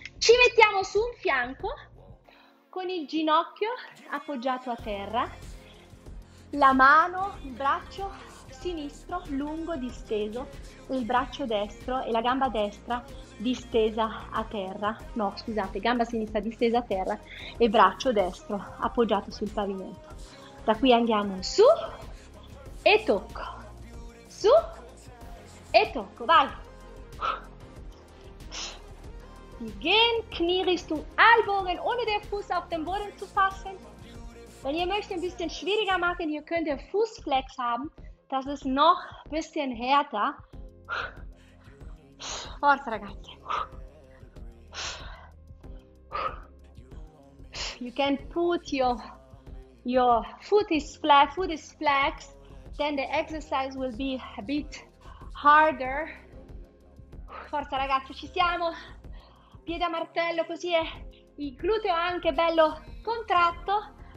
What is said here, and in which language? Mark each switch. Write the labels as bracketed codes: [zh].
[it] Ci mettiamo su un fianco con il ginocchio appoggiato a terra, la mano, il braccio sinistro lungo disteso, il braccio destro e la gamba destra distesa a terra, no scusate, gamba sinistra distesa a terra e braccio destro appoggiato sul pavimento. Da qui andiamo su e tocco, su e tocco, vai! [de] Die gehen Knie Richtung Ellbogen, ohne den Fuß auf den Boden zu fassen. Wenn ihr möchtet, ein bisschen schwieriger machen, ihr könnt den Fußflex haben. Das ist noch ein bisschen härter. [it] Forza, ragazzi. [en] you can put your foot is flexed, then the exercise will be a bit harder. [it] Forza ragazzi, ci siamo. Piede a martello, così è il gluteo anche bello contratto.